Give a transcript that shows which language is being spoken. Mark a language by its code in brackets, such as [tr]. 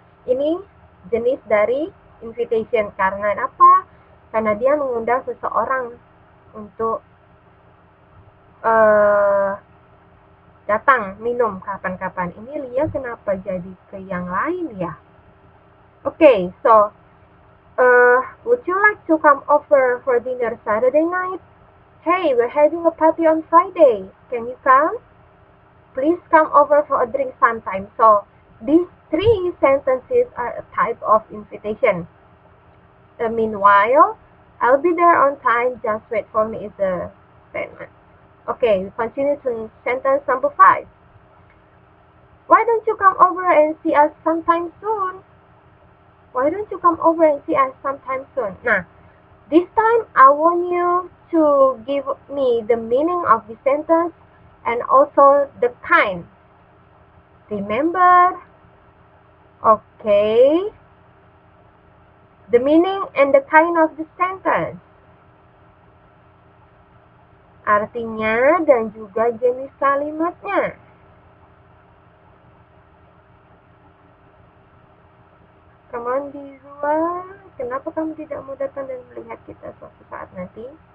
[id] Ini jenis dari invitation. Karena apa? Karena dia mengundang seseorang untuk datang minum kapan-kapan. Ini Lia kenapa jadi ke yang lain ya? [en] Okay, so would you like to come over for dinner Saturday night? Hey, we're having a party on Friday. Can you come? Please come over for a drink sometime. So these three sentences are a type of invitation. Meanwhile, I'll be there on time, just wait for me, is a statement. Okay, we continue to sentence number 5. Why don't you come over and see us sometime soon? Why don't you come over and see us sometime soon? Nah, this time I want you to give me the meaning of the sentence and also the kind. Remember? Okay. The meaning and the kind of the sentence. [id] artinya dan juga jenis kalimatnya. Teman di luar, kenapa kamu tidak mau datang dan melihat kita suatu saat nanti?